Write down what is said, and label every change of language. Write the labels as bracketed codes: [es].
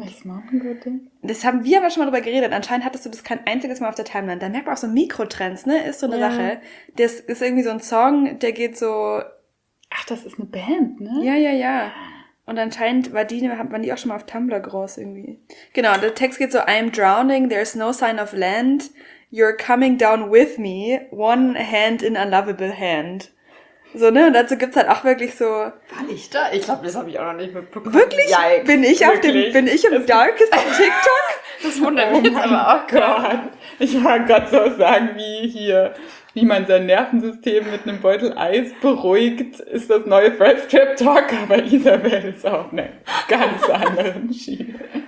[de] Welches Mountain Goat-Ding? Das haben wir aber schon mal drüber geredet. Anscheinend hattest du das kein einziges Mal auf der Timeline. Da merkt man auch so Mikrotrends, ne? Ist so eine Sache. Das ist irgendwie so ein Song, der geht so. Ach, das ist eine Band, ne? Ja. Und anscheinend waren die auch schon mal auf Tumblr groß irgendwie. Genau, der Text geht so, [en] I'm drowning, there's no sign of land, you're coming down with me, one hand in a lovable hand. [de] So, ne, und dazu gibt's halt auch wirklich so... War ich da? Ich glaube, das habe ich auch noch nicht mitbekommen. Wirklich? Yikes. Bin ich im Darkest auf TikTok? Das wundert mich jetzt aber auch. Gott. Ich wollte gerade so sagen, wie hier... Wie man sein Nervensystem mit einem Beutel Eis beruhigt, ist das neue First Trap Talk, aber Isabel ist auf einer ganz anderen Schiene.